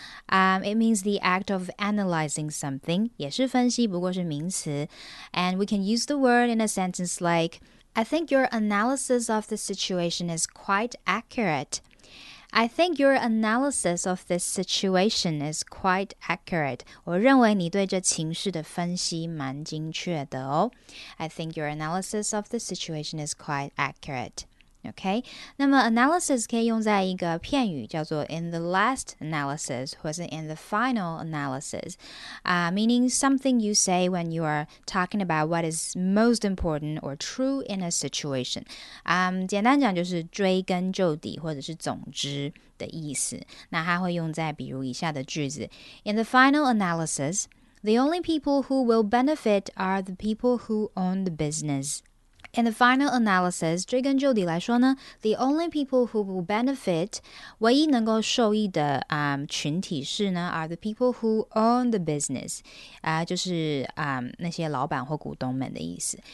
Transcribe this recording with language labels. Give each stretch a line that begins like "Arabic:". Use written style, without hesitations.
English: It means the act of analyzing something,
Chinese: 也是分析不过是名词
English: And we can use the word in a sentence like, I think your analysis of the situation is quite accurate. I think your analysis of this situation is quite accurate.
Chinese: 我认为你对这情绪的分析蛮精确的哦。
English: I think your analysis of the situation is quite accurate. Okay? 那么 analysis
Chinese: 可以用在一个片语叫做
English: in the last analysis 或是 in the final analysis,meaning something you say when you are talking about what is most important or true in a situation.
Chinese: 简单讲就是追根究底或者是总之的意思。那它会用在比如以下的句子。
English: In the final analysis, the only people who will benefit are the people who own the business. In the final analysis,
Chinese: 追根究底来说呢
English: the only people who will benefit,
Chinese: 唯一能够受益的群体是呢
English: are the people who own the business,
Chinese: 就是那些老板或股东们的意思。